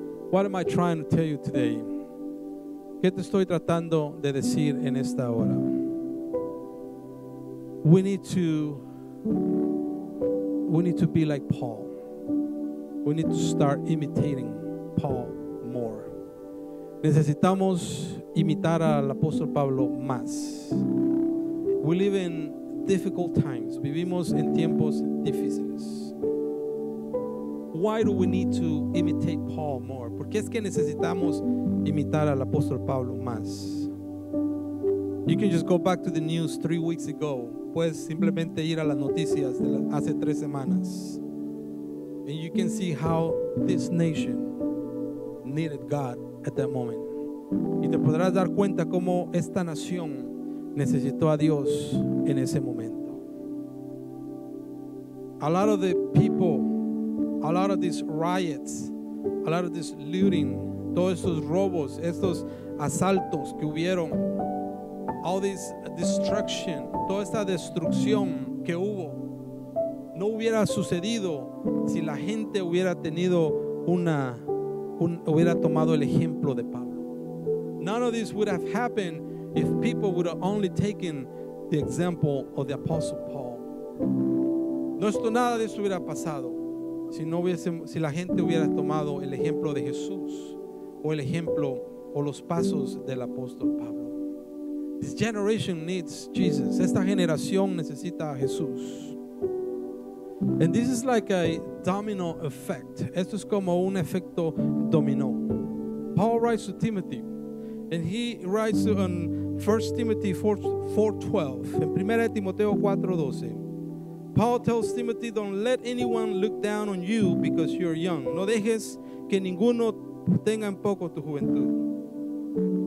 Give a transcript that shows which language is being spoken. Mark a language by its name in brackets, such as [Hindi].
[English] What am I trying to tell you today? [Spanish] ¿Qué te estoy tratando de decir en esta hora? [English] We need to be like Paul. We need to start imitating Paul more. [Spanish] Necesitamos imitar al apóstol Pablo más. [English] We live in difficult times. [Spanish] Vivimos en tiempos difíciles. [English] Why do we need to imitate Paul more? [Spanish] ¿Por qué es que necesitamos imitar al apóstol Pablo más? [English] You can just go back to the news 3 weeks ago. [Spanish] Puedes simplemente ir a las noticias de hace 3 semanas. [English] And you can see how this nation needed God at that moment. Y te podrás dar cuenta cómo esta nación necesitó a Dios en ese momento. A lot of the people, a lot of these riots, a lot of this looting, [Spanish] todos estos robos, estos asaltos que hubieron, [English] all this destruction, [Spanish] toda esta destrucción que hubo, no hubiera sucedido si la gente hubiera tenido hubiera tomado el ejemplo de Pablo. [English] None of this would have happened if people would have only taken the example of the apostle Paul. [Spanish] Nada de esto hubiera pasado si la gente hubiera tomado el ejemplo de Jesús o el ejemplo o los pasos del apóstol Pablo. [English] This generation needs Jesus. [Spanish] Esta generación necesita a Jesús. [English] And this is like a domino effect. [Spanish] Esto es como un efecto dominó. [English] Paul writes to Timothy, and he writes in 1 Timothy 4:12, [Spanish] en 1 Timoteo 4:12. [English] Paul tells Timothy, don't let anyone look down on you because you're young. [Spanish] No dejes que ninguno tenga en poco tu juventud.